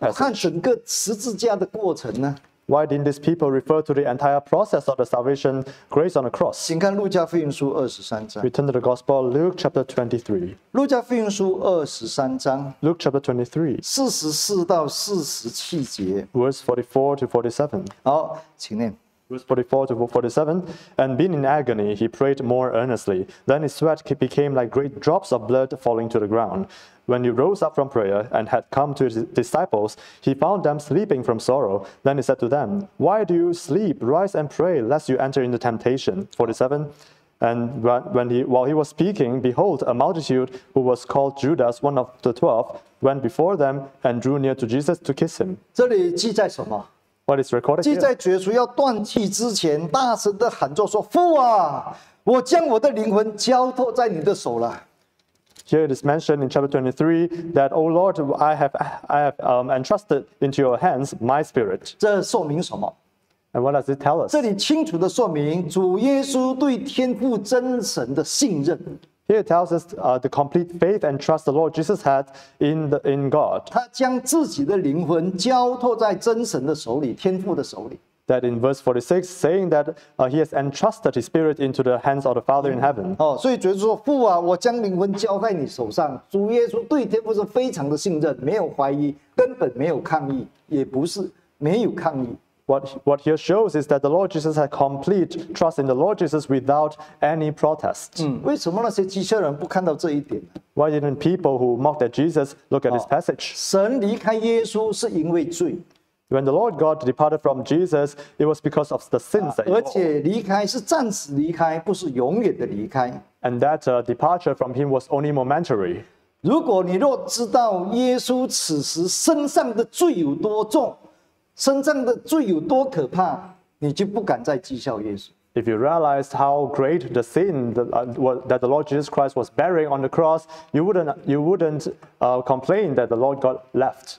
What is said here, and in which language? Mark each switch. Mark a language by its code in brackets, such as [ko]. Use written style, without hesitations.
[zh] 他不看整个十字架的过程呢？ [en] Why didn't these people refer to the entire process of the salvation grace on the cross? [zh] 请看路加福音书二十三章。 [en] Return to the gospel, Luke chapter 23. [zh] 路加福音书二十三章。 [en] Luke chapter 23. [zh] 四十四到四十七节。 [en] Verse 44 to 47. [zh] 好，请念。 [en] Verse 44 to 47, and being in agony, he prayed more earnestly. Then his sweat became like great drops of blood falling to the ground. When he rose up from prayer and had come to his disciples, he found them sleeping from sorrow. Then he said to them, Why do you sleep? Rise and pray, lest you enter into temptation. 47, and while he was speaking, behold, a multitude who was called Judas, one of the 12, went before them and drew near to Jesus to kiss him. [zh] 这里记载什么？ [en] What is recorded here? [zh] 记在主耶稣要断气之前，大声的喊着说：“父啊，我将我的灵魂交托在你的手了。” [en] Here it is mentioned in chapter 23 that, O Lord, I have entrusted into your hands my spirit. [zh] 这说明什么 [en] ？And what does it tell us? [zh] 这里清楚的说明主耶稣对天父真神的信任。 [en] Here it tells us the complete faith and trust the Lord Jesus had in God. [zh] 他将自己的灵魂交托在真神的手里，天父的手里。 [en] That in verse 46, saying that he has entrusted his spirit into the hands of the Father in heaven. [zh] 哦，所以主耶稣说：“父啊，我将灵魂交在你手上。” 主耶稣对天父是非常的信任，没有怀疑，根本没有抗议，也不是没有抗议。 [en] What here shows is that the Lord Jesus had complete trust in the Lord Jesus without any protest. [zh] 嗯，为什么那些讥笑人不看到这一点 [en] ？Why didn't people who mocked at Jesus look at this passage? [zh] 神离开耶稣是因为罪。 [en] When the Lord God departed from Jesus, it was because of the sins that. [zh] 而且离开是暂时离开，不是永远的离开。 [en] And that departure from him was only momentary. [zh] 如果你若知道耶稣此时身上的罪有多重。身上的罪有多可怕，你就不敢再讥笑耶稣。 [en] If you realized how great the sin that the Lord Jesus Christ was bearing on the cross, you wouldn't complain that the Lord God left.